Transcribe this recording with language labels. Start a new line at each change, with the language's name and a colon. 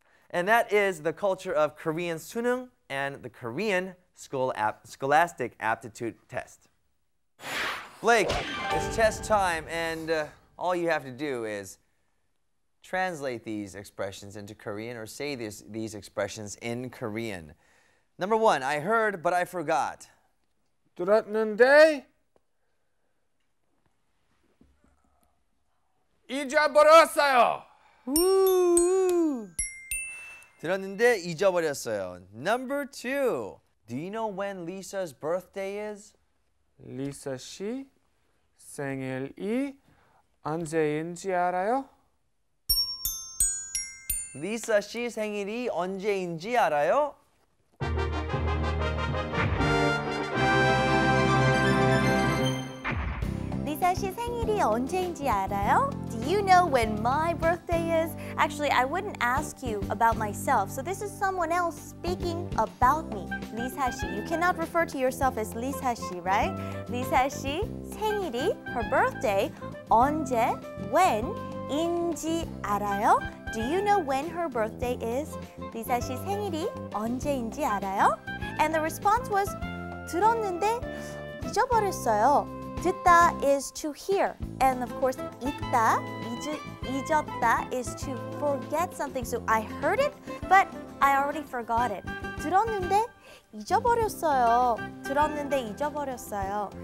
English: And that is the culture of Korean 수능 and the Korean Scholastic Aptitude Test. Blake, it's test time, and all you have to do is translate these expressions into Korean or say these expressions in Korean. Number one, I heard, but I forgot.
Korean: 들었는데 잊어버렸어요. Woo! 들었는데 잊어버렸어요.
English: Number two, do you know when Lisa's birthday is?
Korean: Lisa 씨 생일이 언제인지 알아요? Lisa 씨 생일이 언제인지 알아요? Lisa 씨 생일이 언제인지 알아요?
English: Do you know when my birthday is? Actually, I wouldn't ask you about myself, so this is someone else speaking about me. Lisa 씨, you cannot refer to yourself as Lisa 씨, right?
Korean: Lisa 씨 생일이,
English: her birthday,
Korean: 언제, when, 인지 알아요?
English: Do you know when her birthday is?
Korean: 리사 씨 생일이 언제인지 알아요?
English: And the response was,
Korean: 들었는데 잊어버렸어요.
English: 듣다 is to hear. And of course, 잊다, 잊었다 is to forget something. So I heard it, but I already forgot it.
Korean: 들었는데 잊어버렸어요. 들었는데 잊어버렸어요.